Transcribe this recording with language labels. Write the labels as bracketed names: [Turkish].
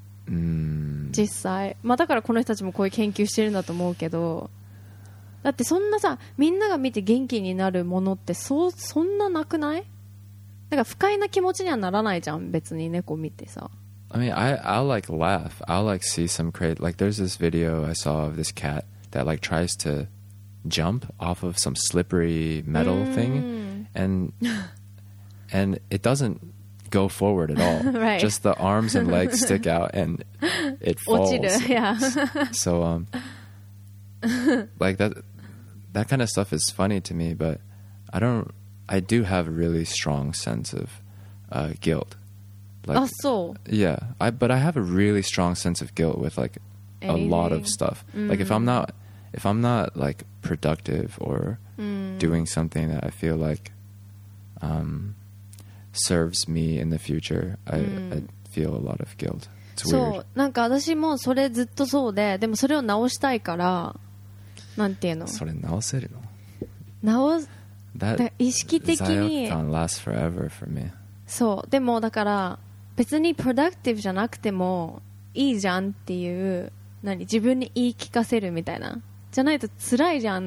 [Japanese] 実際、まあだからこの人たちもこういう研究してるんだと思うけど、だってそんなさ、みんなが見て元気になるものってそんななくない？なんか不快な気持ちにはならないじゃん、別に猫見てさ。 [English] I mean, I'll like laugh. I'll like see some crazy... Like, there's this video I saw of this cat that like tries to jump off of some slippery metal thing. And it doesn't go forward at all. Right. Just the arms and legs stick out and it falls. [Japanese] 落ちる、yeah. [English] So, like that kind of stuff is funny to me, but I do have a really strong sense of guilt. Like, oh, so. Yeah, but I have a really strong sense of guilt with like a lot of stuff. Like if I'm not like productive or doing something that I feel like serves me in the future, I feel a lot of guilt. It's weird. [Japanese] そう、なんか私もそれずっとそうで、でもそれを直したいから。なんていうの、それ直せるの、直す意識的に。 [English] That zayot can last forever for me. [Japanese] そう、でもだから別にプロダクティブじゃなくてもいいじゃんっていう、何、自分に言い聞かせるみたいな、じゃないと辛いじゃん。